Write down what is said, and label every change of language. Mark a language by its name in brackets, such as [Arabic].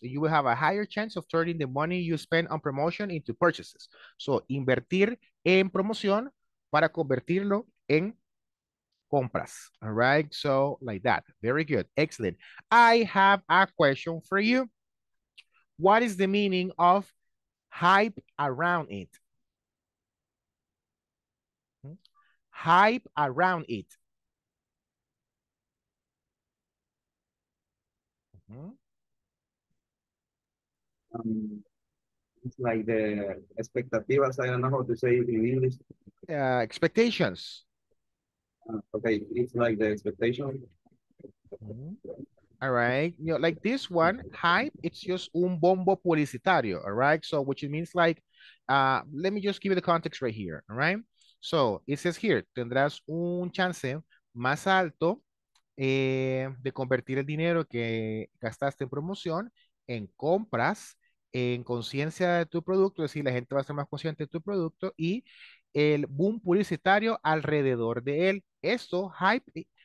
[English] You will have a higher chance of turning the money you spend on promotion into purchases. [Spanish] So, invertir en promoción para convertirlo en compras. [English] All right. So, like that. Very good. Excellent. I have a question for you. What is the meaning of hype around it? Hype around it. It's like the expectativas. I don't know how to say it in English. Expectations. Okay, it's like the expectation. Mm-hmm. All right, you know, like this one, hype. It's just [Spanish] un bombo publicitario. [English] All right, so which it means like, let me just give you the context right here. All right, so it says here, [Spanish] tendrás un chance más alto de convertir el dinero que gastaste en promoción en compras, en conciencia de tu producto, es decir, la gente va a ser más consciente de tu producto y el boom publicitario alrededor de él. Esto, hype,